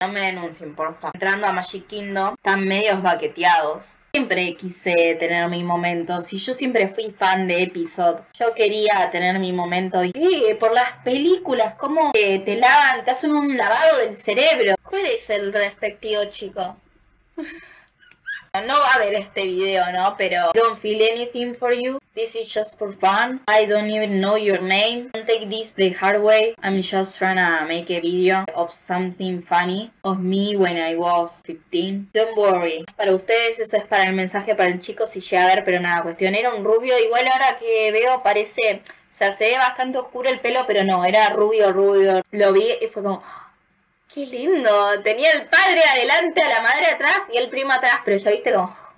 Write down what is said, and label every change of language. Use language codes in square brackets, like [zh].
[es] No me denuncien, porfa. Entrando a Magic Kingdom, están medios baqueteados. Siempre quise tener mi momento. Si yo siempre fui fan de Episode, yo quería tener mi momento. Y por las películas, cómo te lavan, te hacen un lavado del cerebro. ¿Cuál es el respectivo chico? No va a ver este video, ¿no? [en] Pero don't feel anything for you. This is just for fun. I don't even know your name. Don't take this the hard way. I'm just trying to make a video of something funny of me when I was 15. Don't worry. [es] Para ustedes, eso es para el mensaje para el chico si llega a ver, pero nada, cuestión. Era un rubio. Igual ahora que veo parece, o sea, se ve bastante oscuro el pelo, pero no, era rubio, rubio. Lo vi y fue como... ¡Qué lindo! Tenía el padre adelante, a la madre atrás y el primo atrás. Pero yo viste como...